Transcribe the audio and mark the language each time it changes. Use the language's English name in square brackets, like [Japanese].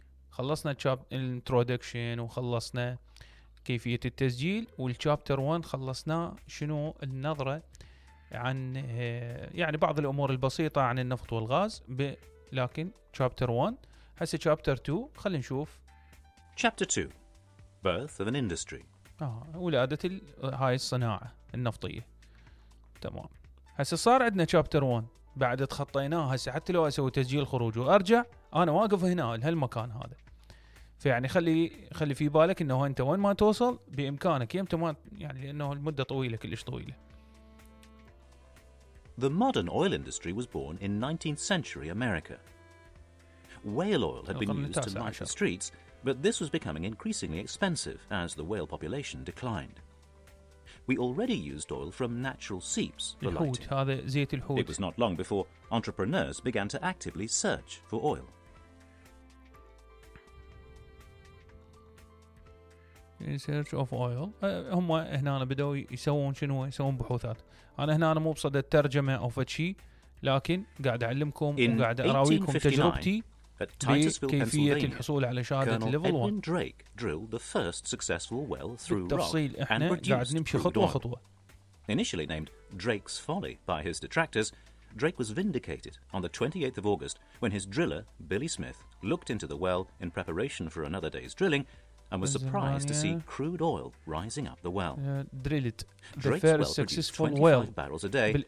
[Arabic] خلصنا الانترودكشن وخلصنا كيفية التسجيل، والشابتر 1 خلصنا شنو النظرة عن يعني بعض الأمور البسيطة عن النفط والغاز لكن شابتر 1. هسه شابتر 2 خلي نشوف. [English] chapter 2 Birth of an Industry، [Arabic] ولادة هاي الصناعة النفطية. تمام، هسه صار عندنا شابتر 1 بعد تخطيناه. هسه حتى لو أسوي تسجيل خروج وأرجع أنا واقف هنا لهالمكان هذا، فيعني خلي في بالك إنه أنت وين ما توصل بإمكانك يمتى ما يعني، لأنه المدة طويلة كلش طويلة. [English] The modern oil industry was born in 19th century America. Whale oil had been used to light the streets, but this was becoming increasingly expensive as the whale population declined. We already used oil from natural seeps for lighting. It was not long before entrepreneurs began to actively search for oil. Search of oil. [Arabic] هم هنا بدأوا يسوون شنو؟ يسوون بحوثات. أنا هنا مو بصدد الترجمة أو فشي، لكن قاعد أعلمكم وقاعد أراويكم تجربتي بكيفية الحصول على شهادة ليفل 1. [English] Drilled the first successful well through [Arabic] بالتفصيل احنا قاعد نمشي خطوة خطوة. [English] Initially named Drake's Folly by his detractors, Drake was vindicated on the 28th of August when his driller Billy Smith looked into the well in preparation for another day's drilling and was surprised to see crude oil rising up the well. Drilled the first successful well barrels a day